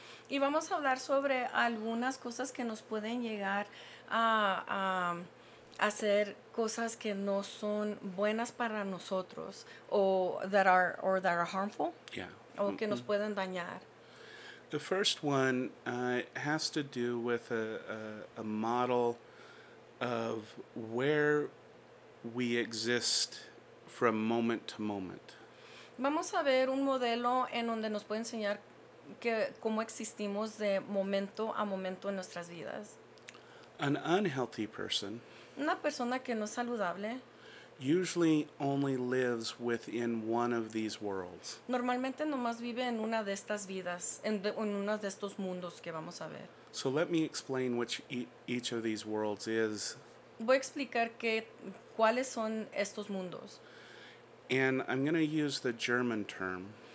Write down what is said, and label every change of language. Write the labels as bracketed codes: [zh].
[es] Y vamos a hablar sobre algunas cosas que nos pueden llegar a hacer cosas que no son buenas para nosotros [en] or that are harmful. Yeah. [es] O que nos pueden dañar. [en] The first one has to do with a model of where we exist from moment to moment. [es] Vamos a ver un modelo en donde nos puede enseñar que cómo existimos de momento a momento en nuestras vidas. [en] An unhealthy person. [es] Una persona que no es saludable. [en] Usually only lives within one of these worlds. [es] Normalmente nomás vive en una de estas vidas, en uno de estos mundos que vamos a ver. [en] So let me explain which each of these worlds is. [es] Voy a explicar que, cuáles son estos mundos. [en] And I'm going to use the German term.